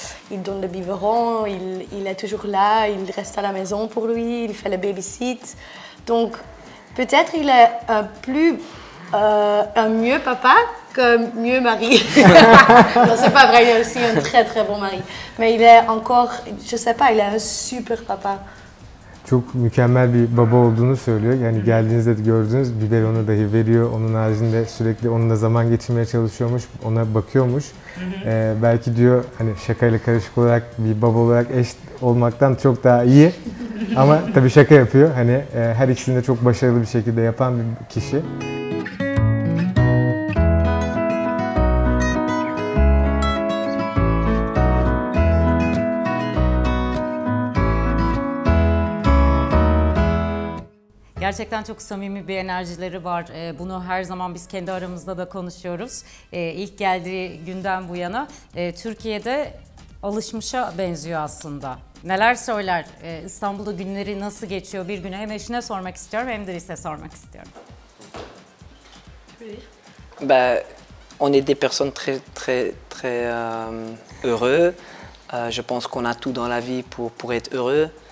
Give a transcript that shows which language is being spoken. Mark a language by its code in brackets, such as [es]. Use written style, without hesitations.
[fr] Il donne le biberon, il est toujours là, il reste à la maison pour lui, il fait le babysit. Donc, peut-être il est un mieux papa qu'un mieux mari. Non, c'est pas vrai, il est aussi un très très bon mari. Mais il est encore, je sais pas, il est un super papa. [tr] Çok mükemmel bir baba olduğunu söylüyor. Yani geldiğinizde de gördünüz, biberonu dahi veriyor. Onun haricinde sürekli onunla zaman geçirmeye çalışıyormuş, ona bakıyormuş. Belki diyor hani şakayla karışık olarak bir baba olarak eş olmaktan çok daha iyi. Ama tabii şaka yapıyor. Hani her ikisini de çok başarılı bir şekilde yapan bir kişi. Gerçekten çok samimi bir enerjileri var. Bunu her zaman biz kendi aramızda da konuşuyoruz. İlk geldiği günden bu yana Türkiye'de alışmışa benziyor aslında. Neler söyler? İstanbul'da günleri nasıl geçiyor? Bir günü hem eşine sormak istiyorum hem de size sormak istiyorum. [fr] Ben, on est des personnes très très très heureux. Je pense qu'on a tout dans la vie pour être heureux.